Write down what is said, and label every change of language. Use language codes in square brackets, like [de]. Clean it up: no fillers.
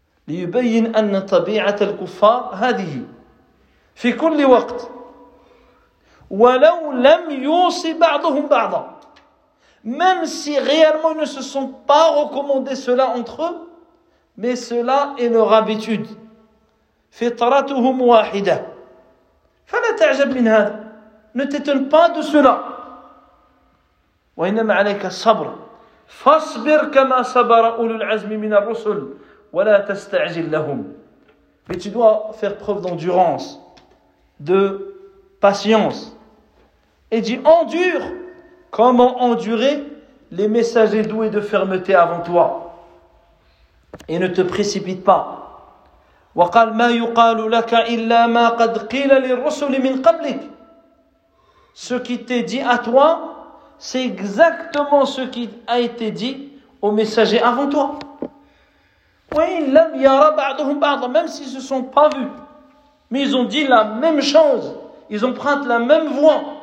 [ar] ليبين أن طبيعة الكفار هذه في كل وقت ولو لم يوصي بعضهم بعضا [fr] même si réellement ils ne se sont pas recommandé cela entre eux mais cela est leur habitude [ar] فطرتهم واحدة فلا تعجب من هذا [fr] ne t'étonne pas de cela [ar] وإنما عليك الصبر فاصبر كما صبر أولو العزم من الرسل ولا تستعجل لهم. [fr] Mais tu dois faire preuve d'endurance, de patience. Et dis endure comme ont enduré les messagers doués de fermeté avant toi. Et ne te précipite pas. [ar] وقال ما يقال لك إلا ما قد قيل للرسل من قبلك. [fr] Ce qui t'est dit à toi, c'est exactement ce qui a été dit aux messagers avant toi. Même s'ils ne se sont pas vus, mais ils ont dit la même chose, ils empruntent la même voie.